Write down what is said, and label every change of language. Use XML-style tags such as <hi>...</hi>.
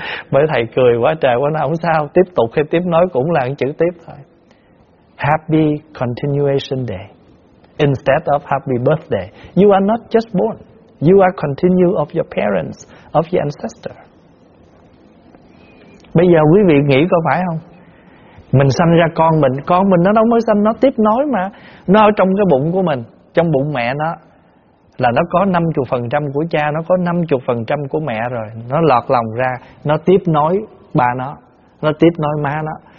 <vi>Bởi thầy cười quá trời quá, nó không sao, tiếp tục hay tiếp nối cũng là chữ tiếp thôi.</vi> <en>Happy continuation day instead of happy birthday. You are not just born, you are continue of your parents, of your ancestor.</en> <vi>Bây giờ quý vị nghĩ có phải không? Mình sanh ra con mình nó đâu mới sanh, nó tiếp nối mà. Nó ở trong cái bụng của mình, trong bụng mẹ nó, là nó có 50% của cha, nó có 50% của mẹ rồi. Nó lọt lòng ra, nó tiếp nối ba nó tiếp nối má nó.</vi>